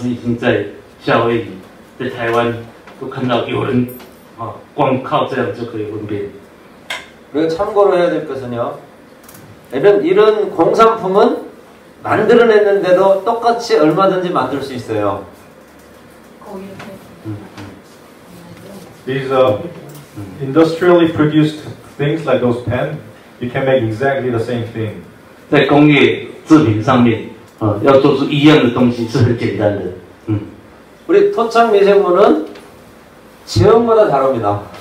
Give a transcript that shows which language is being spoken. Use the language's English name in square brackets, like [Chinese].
[Chinese] 你说哈，用这样的方式来分辨啊，赵大师已经在夏威夷，在台湾。都看到有人，啊，光靠这样就可以分辨。 [Korean] 그리고 참고로 해야 될 것은요, 이런 공산품은 만들어냈는데도 똑같이 얼마든지 만들 수 있어요. 거기 이렇게. [English] These industrially produced things like those pen, you can make exactly the same thing. [Chinese] 在工业制品上面，啊，要做出一样的东西是很简单的。嗯， [Korean] 우리 토착 미생물은 지역마다 다릅니다.